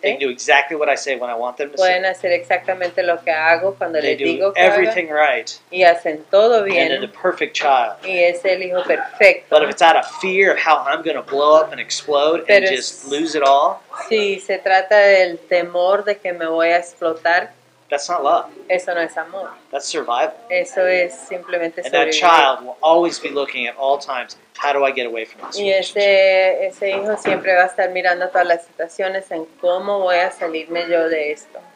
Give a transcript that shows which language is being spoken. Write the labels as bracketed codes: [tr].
[en] They can do exactly what I say when I want them to. [es] Pueden hacer exactamente lo que hago cuando [en] they [es] les digo que [en] everything [es] hago. [en] Right. [es] Y hacen todo bien. [en] And they're the perfect child. [es] Y es el hijo perfecto. [en] But if it's out of fear of how I'm going to blow up and explode [es] pero [en] and just lose it all. [es] Si se trata del temor de que me voy a explotar. [en] That's not love. [es] Eso no es amor. [en] That's survival. [es] Eso es simplemente [en] and that child will always be looking at all times, how do I get away from this [es] y ese hijo siempre va a estar mirando todas las situaciones en cómo voy a salirme yo de esto.